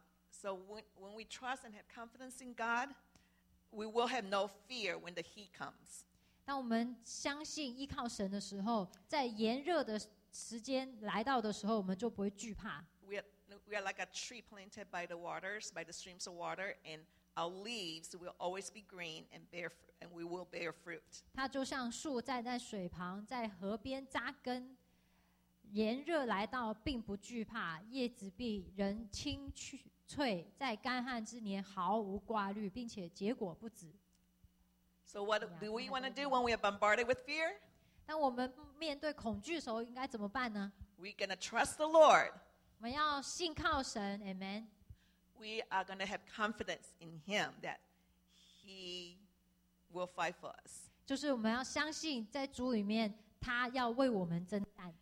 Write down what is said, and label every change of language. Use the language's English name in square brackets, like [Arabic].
[English] So when we trust and have confidence in God, we will have no fear when the heat comes. [Chinese] 当我们相信依靠神的时候，在炎热的时间来到的时候，我们就不会惧怕。 [English] We are like a tree planted by the waters, by the streams of water, and our leaves will always be green and bear fruit, and we will bear fruit. [Chinese] 它就像树站在水旁，在河边扎根，炎热来到并不惧怕，叶子碧，人青翠，在干旱之年毫无挂虑，并且结果不止。 [English] So what do we want to do when we are bombarded with fear? [Chinese] 当我们面对恐惧的时候，应该怎么办呢？ [English] We're going to trust the Lord. [Chinese] 我们要信靠神 ，Amen. [English] We are going to have confidence in Him that He will fight for us. [Chinese] 就是我们要相信在主里面，他要为我们征战。